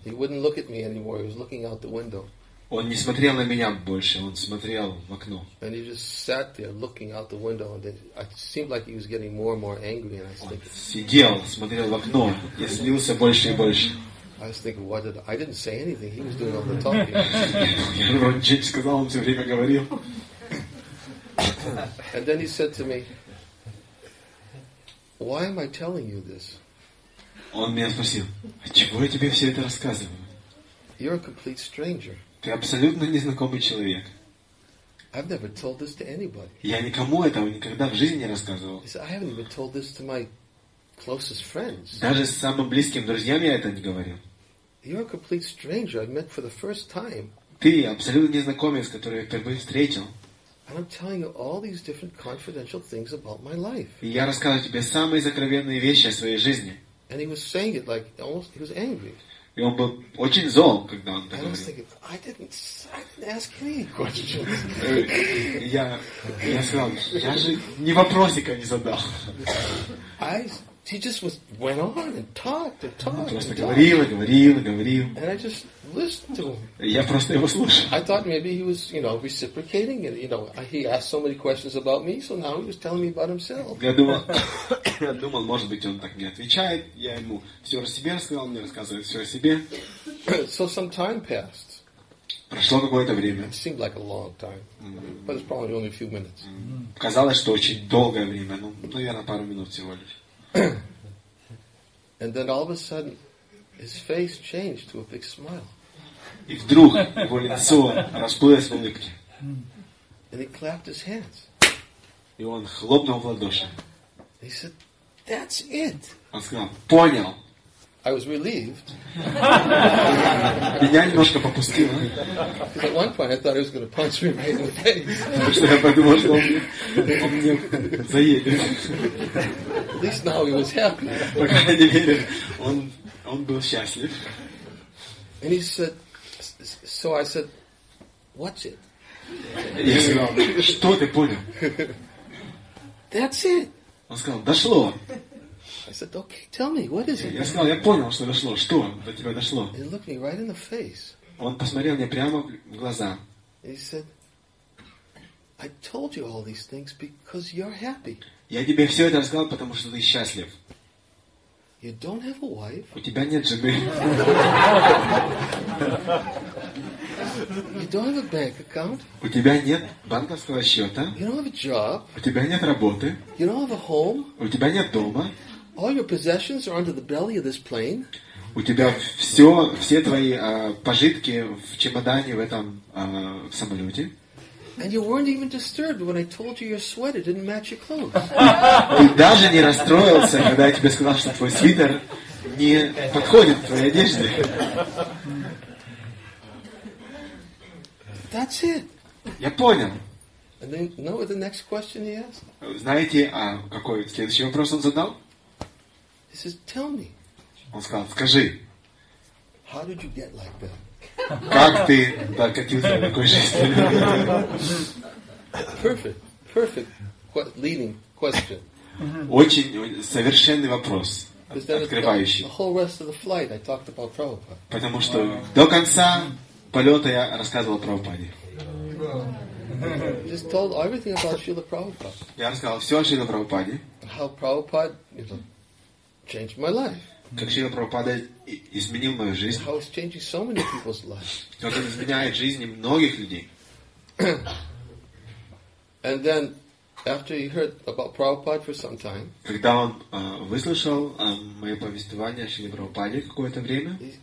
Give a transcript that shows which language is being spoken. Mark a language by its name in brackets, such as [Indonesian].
[English] He wouldn't look at me anymore. He was looking out the window. [Russian] Он не смотрел на меня больше. Он смотрел в окно. [English] And he just sat there looking out the window, and it seemed like he was getting more and more angry. And I was thinking. [Russian] Он сидел, смотрел в окно, и злился больше и больше. [English] I was thinking, what did I didn't say anything. He was doing all the talking. [Russian] Он ничего не сказал, он все время говорил. [English] And then he said to me, why am I telling you this? [Russian] Он меня спросил, а чего я тебе все это рассказываю? [English] You're a complete stranger. [Russian] Ты абсолютно незнакомый человек. [English] I've never told this to anybody. [Russian] Я никому этого никогда в жизни не рассказывал. [English] He said, I haven't even told this to my closest friends. [Russian] Даже с самым близким друзьям я это не говорил. [English] You're a complete stranger I met for the first time. [Russian] Ты абсолютно незнакомец, которого я впервые встретил. [English] And I'm telling you all these different confidential things about my life. [Russian] И я рассказываю тебе самые сокровенные вещи о своей жизни. [English] And he was saying it like almost he was angry. [Russian] И он был очень зол, когда он это говорил. [English] I was thinking, I didn't ask any questions. [Russian] Я сказал, я же ни вопросика не задал. [English] He just was went on and talked and talked. [Russian] Он просто говорил, говорил, говорил. [English] And I just listened to him. [Russian] Я просто его слушал. [English] I thought maybe he was, you know, reciprocating, and you know, he asked so many questions about me, so now he was telling me about himself. [Russian] Я думал, может быть, он так не отвечает. Я ему все о себе рассказал, мне рассказывает все о себе. [English] So some time passed. [Russian] Прошло какое-то время. [English] It seemed like a long time, but it's probably only a few minutes. [Russian] Казалось, что очень долгое время, ну, наверное, пару минут всего лишь. [English] And then all of a sudden, his face changed to a big smile. [Russian] И вдруг его лицо расплылось в улыбке. [English] And he clapped his hands. [Russian] И он хлопнул в ладоши. [English] He said, "That's it." [Russian] Он сказал, понял. [English] I was relieved. [Russian] Меня немножко попустило. [English] Because at one point I thought he was going to punch me right in the face. [Russian] Потому что я подумал, что он мне заедет. [English] At least now he was happy. [Russian] По крайней мере, он был счастлив. [English] And he said, so I said, what's it? [Russian] Я сказал, что ты понял? [English] That's it. [Russian] Он сказал, дошло. [English] I said, okay, tell me, what is it? [Russian] Я сказал, я понял, что дошло. Что до тебя дошло? [English] He looked me right in the face. [Russian] Он посмотрел мне прямо в глаза. [English] He said, I told you all these things because you're happy. [Russian] Я тебе все это рассказал, потому что ты счастлив. [English] You don't have a wife. [Russian] У тебя нет жены. [English] You don't have a bank account. [Russian] У тебя нет банковского счета. [English] You don't have a job. [Russian] У тебя нет работы. [English] You don't have a home. [Russian] У тебя нет дома. [English] All your possessions are under the belly of this plane. [Russian] У тебя все, все твои пожитки в чемодане в этом в самолете. [English] And you weren't even disturbed when I told you your sweater didn't match your clothes. [Russian] Ты даже не расстроился, когда я тебе сказал, что твой свитер не подходит твоей одежде. [English] That's it. [Russian] Я понял. [English] And then, know what the next question he asked? [Russian] Знаете, а какой следующий вопрос он задал? [English] He says, "Tell me." [Russian] Он сказал, скажи. [English] How did you get like that? [Russian] Как ты докатился до такой жизни? [English] Perfect, perfect, leading question. [Russian] Очень совершенный вопрос, открывающий. [English] The whole rest of the flight I talked about Prabhupada. [Russian] Потому что до конца полета я рассказывал о Прабхупаде. [English] Just told everything about Srila Prabhupada. [Russian] Я рассказал все о Шриле Прабхупаде. [English] How Prabhupada, you know, changed my life. [Russian] Как Шрила Прабхупада изменил мою жизнь. [English] How it's changing so many people's lives. [Russian] Как он изменяет жизни многих людей. [English] And then, after he heard about Prabhupada for some time, [Russian] когда он выслушал мое повествование о Шриле Прабхупаде какое-то время,